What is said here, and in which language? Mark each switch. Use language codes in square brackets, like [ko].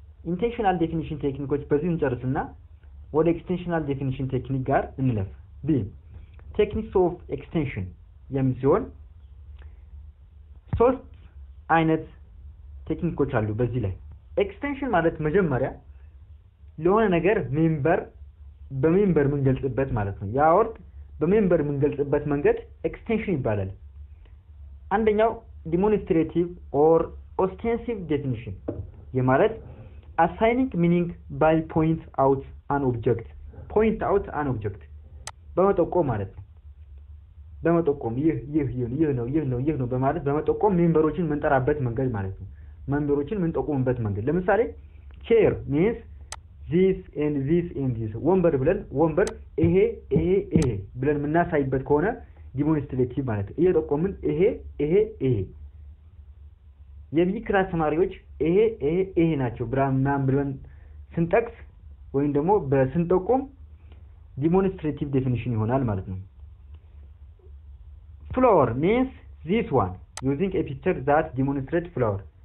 [am] ኢንቴንሽናል ዴፊኒሽን ቴክኒኮች በዚህ እንጨርስና ወደ ኤክስቴንሽናል ዴፊኒሽን ቴክኒክ ጋር እንለፍ። ቢ ቴክኒክስ ኦፍ ኤክስቴንሽን የሚል ሲሆን ሶስት አይነት ቴክኒኮች አሉ በዚህ ላይ። ኤክስቴንሽን ማለት መጀመሪያ ለሆነ ነገር ሜምበር በሜምበር መንገልጽበት ማለት ነው። ያ ወርድ በሜምበር መንገልጽበት መንገድ ኤክስቴንሽን ይባላል። አንደኛው [en] demonstrative or ostensive definition. ይህ ማለት assigning meaning by point out an object. Point out an object. [am] በመጠቆም ማለት በመጠቆም ይህ ነው በማለት በመጠቆም ሜምበሮችን መንጠራበት መንገድ ማለት ነው። ሜምበሮችን መንጠቆምበት መንገድ ለምሳሌ [en] chair means this and this and this. [am] ወንበር ብለን ወንበር ይሄ ይሄ ይሄ ብለን ምናሳይበት ከሆነ demonstrative ማለት ይሄ ጠቆምን ይሄ ይሄ ይሄ የሚክራ ተማሪዎች ይሄ ይሄ ይሄ ናቸው ብራምናም ብለን ስንጠቅስ ወይንም ደግሞ በስንጠቁም demonstrative definition ይሆናል ማለት ነው። [en] Flower means this one using a picture that demonstrate flower.